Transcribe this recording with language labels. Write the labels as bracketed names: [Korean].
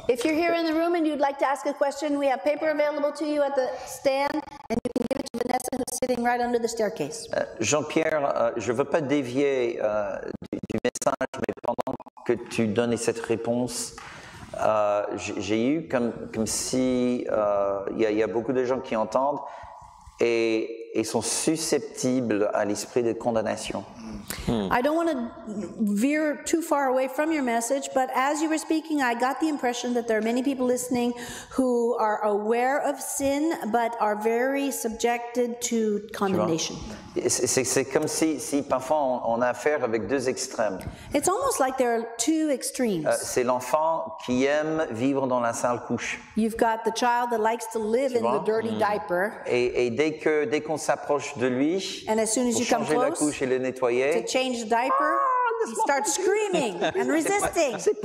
[English] If you're here in the room and you'd like to ask a question, we have paper available to you at the stand and you can give it to Vanessa who's sitting right under the staircase. [French] Jean-Pierre, je ne veux pas dévier du message, mais pendant que tu donnais cette réponse, j'ai eu comme si il y a beaucoup de gens qui entendent et sont susceptibles à l'esprit de condamnation. [English] I don't want to veer too far away from your message, but as you were speaking, I got the impression that there are many people listening who are aware of sin, but are very subjected to condemnation. [French] C'est comme si parfois on a affaire avec deux extrêmes. [English] It's almost like there are two extremes. [French] C'est l'enfant qui aime vivre dans la sale couche. [English] You've got the child that likes to live in the dirty diaper. [French] Et dès qu'on s'approche de lui, pour changer la couche et le nettoyer, [English] to change the diaper, he starts screaming and resisting.